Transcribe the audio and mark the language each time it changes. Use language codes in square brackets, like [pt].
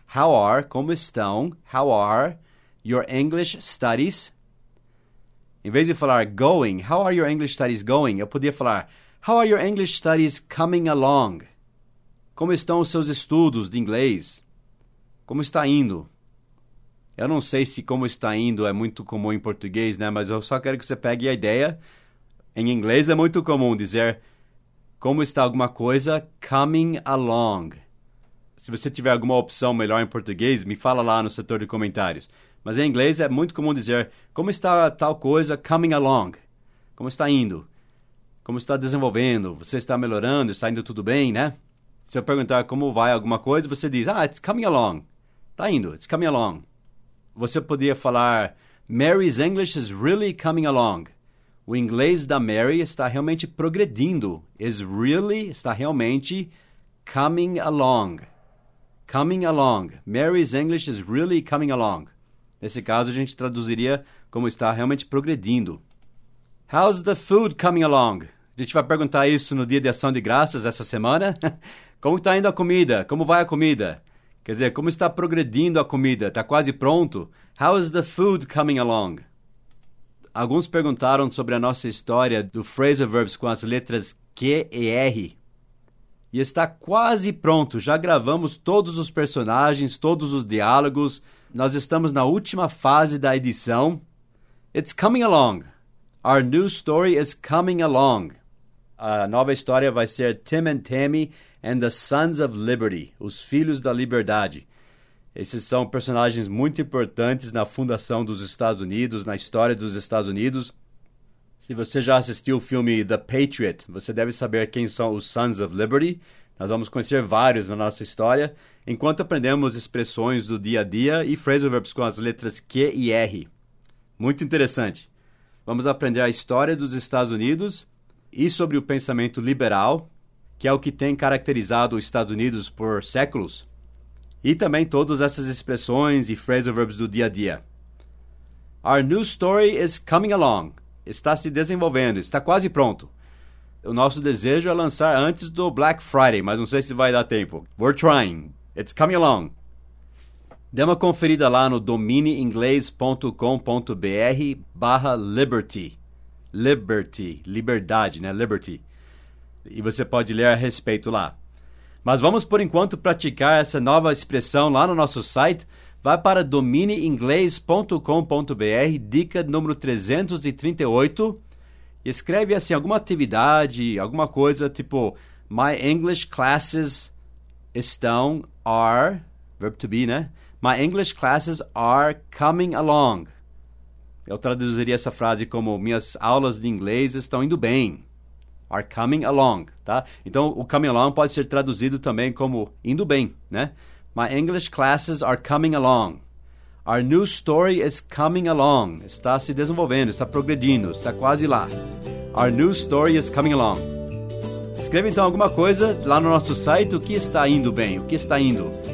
[en] How are, [pt] como estão, [en] how are your English studies? [pt] Em vez de falar [en] going, how are your English studies going? [pt] Eu podia falar, [en] how are your English studies coming along? [pt] Como estão os seus estudos de inglês? Como está indo? Eu não sei se como está indo é muito comum em português, né? Mas eu só quero que você pegue a ideia. Em inglês é muito comum dizer como está alguma coisa coming along. Se você tiver alguma opção melhor em português, me fala lá no setor de comentários. Mas em inglês é muito comum dizer, como está tal coisa coming along? Como está indo? Como está desenvolvendo? Você está melhorando? Está indo tudo bem, né? Se eu perguntar como vai alguma coisa, você diz, [en] ah, it's coming along. [pt] Está indo, [en] it's coming along. [pt] Você poderia falar, [en] Mary's English is really coming along. [pt] O inglês da Mary está realmente progredindo. [en] Is really, [pt] está realmente [en] coming along. Coming along. Mary's English is really coming along. [pt] Nesse caso, a gente traduziria como está realmente progredindo. [en] How's the food coming along? [pt] A gente vai perguntar isso no Dia de Ação de Graças essa semana. Como está indo a comida? Como vai a comida? Quer dizer, como está progredindo a comida? Está quase pronto? [en] How is the food coming along? [pt] Alguns perguntaram sobre a nossa história do phrasal verbs com as letras Q e R. E está quase pronto. Já gravamos todos os personagens, todos os diálogos. Nós estamos na última fase da edição. [en] It's coming along. Our new story is coming along. [pt] A nova história vai ser Tim and Tammy and the Sons of Liberty, os Filhos da Liberdade. Esses são personagens muito importantes na fundação dos Estados Unidos, na história dos Estados Unidos. Se você já assistiu o filme The Patriot, você deve saber quem são os Sons of Liberty. Nós vamos conhecer vários na nossa história, enquanto aprendemos expressões do dia a dia e phrasal verbs com as letras Q e R. Muito interessante. Vamos aprender a história dos Estados Unidos e sobre o pensamento liberal, que é o que tem caracterizado os Estados Unidos por séculos, e também todas essas expressões e phrasal verbs do dia a dia. [en] Our new story is coming along. [pt] Está se desenvolvendo, está quase pronto. O nosso desejo é lançar antes do Black Friday, mas não sei se vai dar tempo. [en] We're trying. It's coming along. [pt] Dê uma conferida lá no domineinglês.com.br/liberty. Liberty, liberdade, né? Liberty. E você pode ler a respeito lá. Mas vamos, por enquanto, praticar essa nova expressão lá no nosso site. Vai para domineinglês.com.br, dica número 338. E escreve assim, alguma atividade, alguma coisa, tipo, [en] My English classes [pt] estão, are, verb to be, né? [en] My English classes are coming along. [pt] Eu traduziria essa frase como minhas aulas de inglês estão indo bem. Are coming along, tá? Então, o coming along pode ser traduzido também como indo bem, né? [en] My English classes are coming along. Our new story is coming along. [pt] Está se desenvolvendo, está progredindo, está quase lá. [en] Our new story is coming along. [pt] Escreva então alguma coisa lá no nosso site, o que está indo bem, o que está indo.